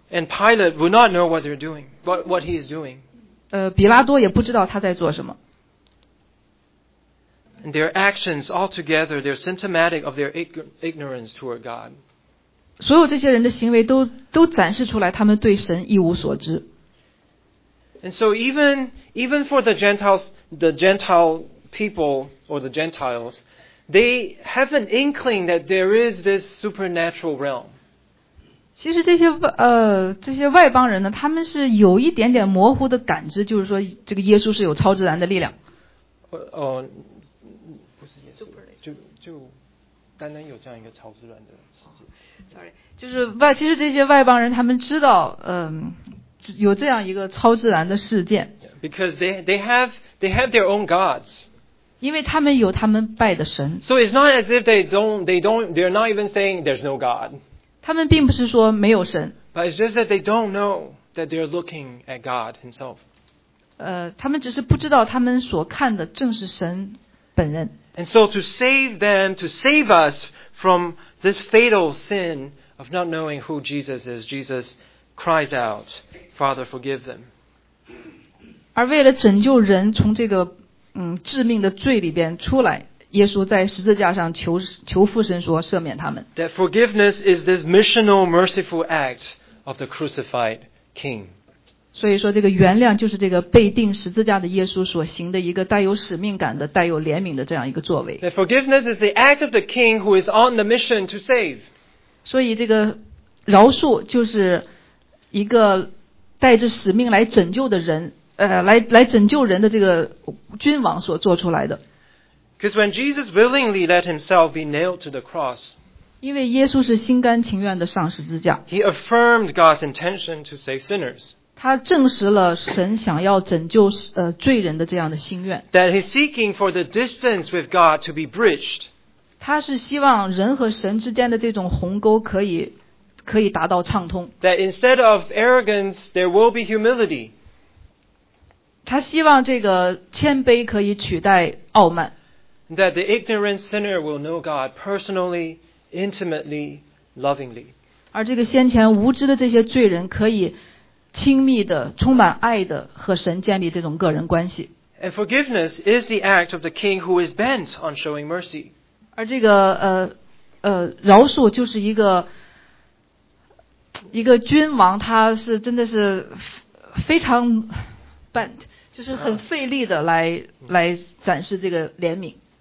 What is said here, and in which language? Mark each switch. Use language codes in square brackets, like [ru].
[en] And Pilate will not know what they're doing, what he is doing. [zh] 比拉多也不知道他在做什么。 [en] And their actions altogether, they're symptomatic of their ignorance toward God. [zh] 所有这些人的行为都展示出来，他们对神一无所知。 [en] And so even for the Gentiles, the Gentile people or the Gentiles, they have an inkling that there is this supernatural realm. [zh] 其实这些外邦人呢，他们是有一点点模糊的感知，就是说这个耶稣是有超自然的力量。不是耶稣，就单单有这样一个超自然的世界。 [en] Sorry， [zh] 就是外，其实这些外邦人他们知道，有这样一个超自然的事件。 [en] Because they have their own gods。 [zh] 因为他们有他们拜的神。 [en] So it's not as if they're not even saying there's no God。 [zh] 他们并不是说没有神。 [en] But it's just that they don't know that they're looking at God himself。 [zh] 他们只是不知道他们所看的正是神本人。 [en] And so to save them, to save us from this fatal sin of not knowing who Jesus is, Jesus cries out, Father, forgive them。 [zh] 而为了拯救人从这个致命的罪里边出来，耶稣在十字架上求父神说赦免他们。 [en] That forgiveness is this missional, merciful act of the crucified King. [zh] 所以说，这个原谅就是这个被钉十字架的耶稣所行的一个带有使命感的、带有怜悯的这样一个作为。 [en] That forgiveness is the act of the King who is on the mission to save. [zh] 所以这个饶恕就是一个带着使命来拯救的人，来拯救人的这个君王所做出来的。 [en] Because when Jesus willingly let himself be nailed to the cross, [zh] 因为耶稣是心甘情愿地上十字架， [en] he affirmed God's intention to save sinners. [zh] 他证实了神想要拯救罪人的这样的心愿。 [en] That he's seeking for the distance with God to be bridged. [zh] 他是希望人和神之间的这种鸿沟可以达到畅通。 [en] That instead of arrogance, there will be humility. [zh] 他希望这个谦卑可以取代傲慢。 [en] That the ignorant sinner will know God personally, intimately, lovingly. [zh] 而这个先前无知的这些罪人可以亲密的、充满爱的和神建立这种个人关系。 [en] And forgiveness is the act of the King who is bent on showing mercy. [zh] 而这个饶恕就是一个君王，他是真的是非常 bent， 就是很费力的来展示这个怜悯。